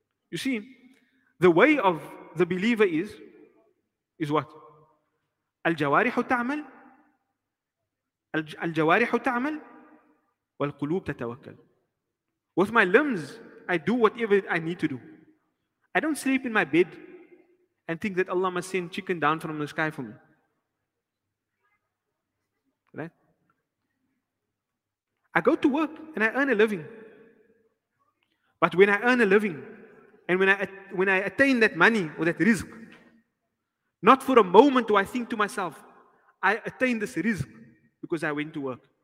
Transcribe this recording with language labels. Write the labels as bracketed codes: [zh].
[en] You see, the way of the believer is what? [ar] Al-jawarihu ta'amal. الجوارح تعمل والقلوب تتوكل. [en] With my limbs, I do whatever I need to do. I don't sleep in my bed and think that Allah must send chicken down from the sky for me. Right? I go to work and I earn a living. But when I earn a living and when I attain that money or that rizq, not for a moment do I think to myself, I attain this rizq because I went to work.